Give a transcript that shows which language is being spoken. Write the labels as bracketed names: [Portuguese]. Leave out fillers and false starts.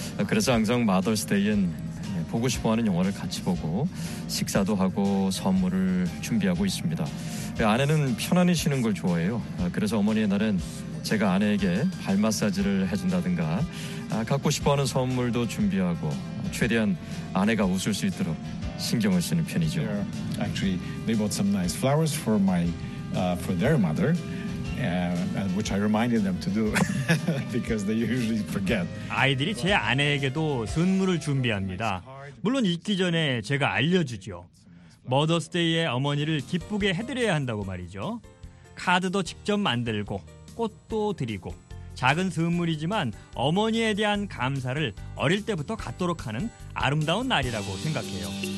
[Korean] 그래서 항상 마더스 데이엔 보고 싶어하는 영화를 같이 보고 식사도 하고 선물을 준비하고 있습니다. 아내는 편안히 쉬는 걸 좋아해요. 그래서 어머니의 날엔 제가 아내에게 발 마사지를 해준다든가 갖고 싶어하는 선물도 준비하고 최대한 아내가 웃을 수 있도록 신경을 쓰는 편이죠. [English] Actually, they bought some nice flowers for my for their mother. And which I reminded them to do because they usually forget. [Korean] 아이들이 제 아내에게도 선물을 준비합니다. 물론 잊기 전에 제가 알려주죠. 머더스데이에 어머니를 기쁘게 해드려야 한다고 말이죠. 카드도 직접 만들고 꽃도 드리고 작은 선물이지만 어머니에 대한 감사를 어릴 때부터 갖도록 하는 아름다운 날이라고 생각해요.